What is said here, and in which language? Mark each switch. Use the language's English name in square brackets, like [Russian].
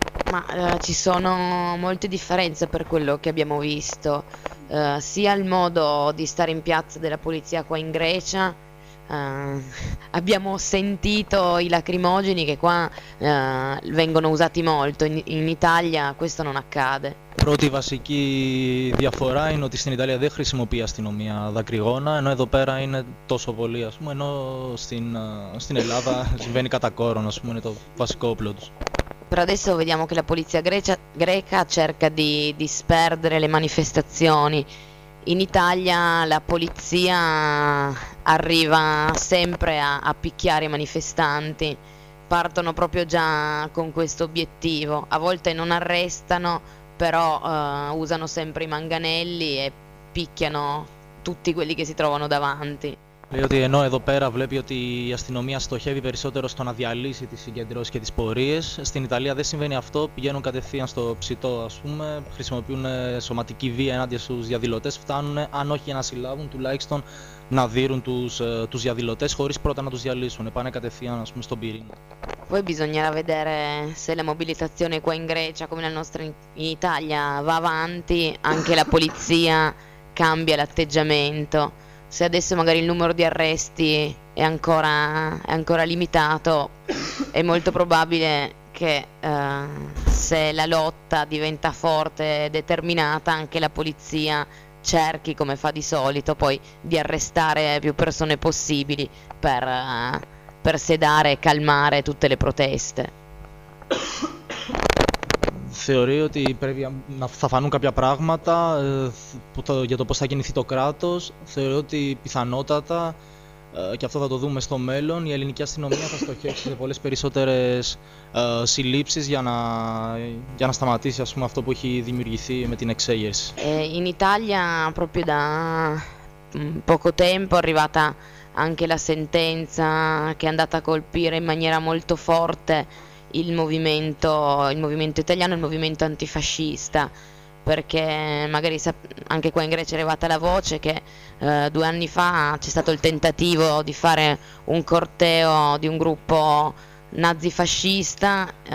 [Italian] Ma ci sono molte differenze per quello che abbiamo visto, sia il modo di stare in piazza della polizia qua in Grecia. Abbiamo sentito i lacrimogeni che qua vengono usati molto, in Italia questo non accade. [Greek] Πρώτη βασική διαφορά είναι ότι στην Ιταλία δεν χρησιμοποιεί αστυνομία δακρυγόνα, ενώ εδώ πέρα είναι τόσο πολύ, ας πούμε, ενώ στην Ελλάδα συμβαίνει κατά κόρον, ας πούμε, είναι το βασικό όπλο τους. [Italian] Per adesso vediamo che la polizia greca cerca di disperdere le manifestazioni. In Italia la polizia arriva sempre a picchiare i manifestanti, partono proprio già con questo obiettivo. A volte non arrestano, però usano sempre i manganelli e picchiano tutti quelli che si trovano davanti. [Greek] Λέει ότι ενώ εδώ πέρα βλέπει ότι η αστυνομία στοχεύει περισσότερο στο να διαλύσει τις συγκεντρώσεις και τις πορείες, στην Ιταλία δεν συμβαίνει αυτό, πηγαίνουν κατευθείαν στο ψητό, ας πούμε, χρησιμοποιούν σωματική βία ενάντια στους διαδηλωτές, φτάνουν, αν όχι για να συλλάβουν, τουλάχιστον να δείρουν τους διαδηλωτές χωρίς πρώτα να τους διαλύσουν, πάνε κατευθείαν, ας πούμε, στον πυρήνα. [Italian] Poi bisognerà vedere se la mobilitazione qua in Grecia, come la nostra in Italia, va avanti, anche la polizia cambia l'atteggiamento. Se adesso magari il numero di arresti è ancora limitato, è molto probabile che se la lotta diventa forte e determinata, anche la polizia cerchi, come fa di solito, poi di arrestare più persone possibili per sedare e calmare tutte le proteste. [Greek] Θεωρεί ότι πρέπει να θα φανούν κάποια πράγματα για το πώς θα κινηθεί το κράτος. Θεωρεί ότι πιθανότατα, και αυτό θα το δούμε στο μέλλον, η ελληνική αστυνομία θα στοχεύσει σε πολλές περισσότερες συλλήψεις για να σταματήσει, ας πούμε, αυτό που έχει δημιουργηθεί με την εξέγερση. [Italian] In Italia, proprio da poco tempo, è arrivata anche la sentenza che è andata a colpire in maniera molto forte il movimento italiano, il movimento antifascista, perché magari anche qua in Grecia è arrivata la voce che 2 anni fa c'è stato il tentativo di fare un corteo di un gruppo nazifascista,